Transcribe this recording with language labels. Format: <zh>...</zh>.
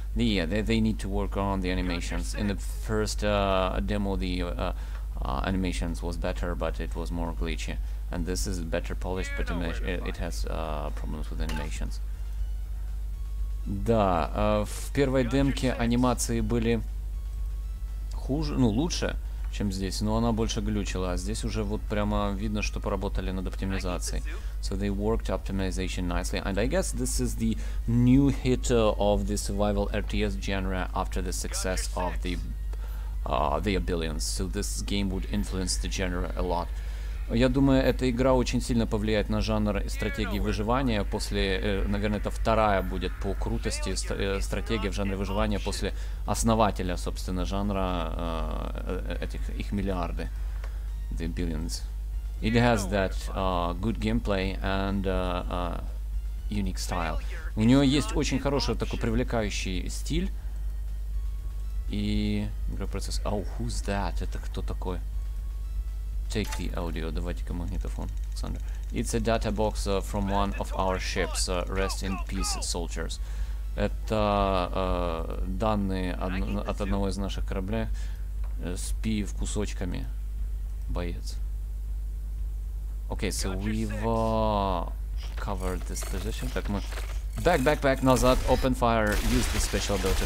<en>Yeah, they need to work on the animations. In the first demo, the animations was better, but it was more glitchy. And this is better polished, but it has problems with animations.</en> <ru>Да, в первой демке анимации были хуже, ну лучше, чем здесь, но она больше глючила, а здесь уже вот прямо видно, что поработали над оптимизацией.</ru> <en>So they worked optimization nicely, and I guess this is the new hit of the survival RTS genre after the success of the Abilions. So this game would influence the genre a lot.</en> <ru>Я думаю, эта игра очень сильно повлияет на жанр стратегии выживания после, наверное, это вторая будет по крутости стратегия в жанре выживания после основателя, собственно, жанра этих их миллиарды, the billions.</ru> <en>It has that good gameplay and unique style.</en> <ru>У нее есть очень хороший такой привлекающий стиль и игропроцесс.</ru> <en>Oh, who's that?</en> <ru>Это кто такой?</ru> <en>Take the audio.</en> <ru>Давайте-ка магнитофон.</ru> <en>Sander. It's a data box from one of our ships. Rest in peace, soldiers.</en> <ru>Это данные от одного из наших кораблей. Спи в кусочками, боец.</ru> <en>Okay, so we've covered this position.</en> <ru>Так, мы...</ru> <en>Back, back, back,</en> <ru>назад.</ru> <en>Open fire. Use the special ability.</en>